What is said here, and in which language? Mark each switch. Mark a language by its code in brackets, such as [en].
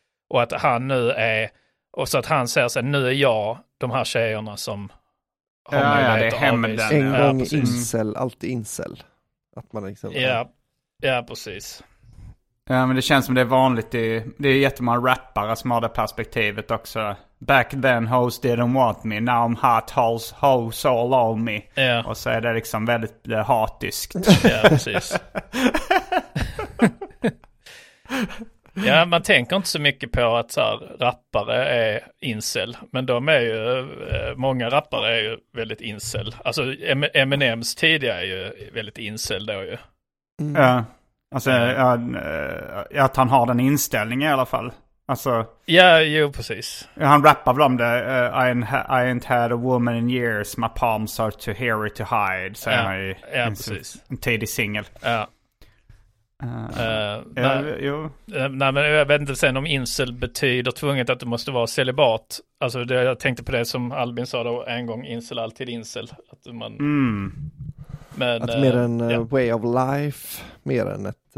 [sv] Och att han nu är, och så att han säger sig, nu är jag de här tjejerna som har möjlighet att avvisa. En gång incel, alltid incel. Att man liksom, ja, precis. Ja, men det känns som det är vanligt. Det är jättemånga rappare som har det perspektivet också. [en] Back then hoes didn't want me, now I'm hot, hoes all on me. Yeah. [sv] Och så är det liksom väldigt hatiskt. Ja, precis. Ja, man tänker inte så mycket på att så här, rappare är incel. Men de är ju, många rappare är ju väldigt incel. Alltså Eminems tidigare är ju väldigt incel då ju. Mm. Ja, alltså att han har den inställningen i alla fall. Alltså, yeah, jo, precis. Han rappar väl om det. [en] I ain't had a woman in years. My palms are too hairy to hide. [sv] Så ja, precis. En tidig singel. Ja. Jag vet inte sen om incel betyder tvunget att du måste vara celibat. Alltså det, jag tänkte på det som Albin sa då, en gång, incel alltid incel. Att man... Mm. Men, att mer en [en] way of life, [sv] mer än ett...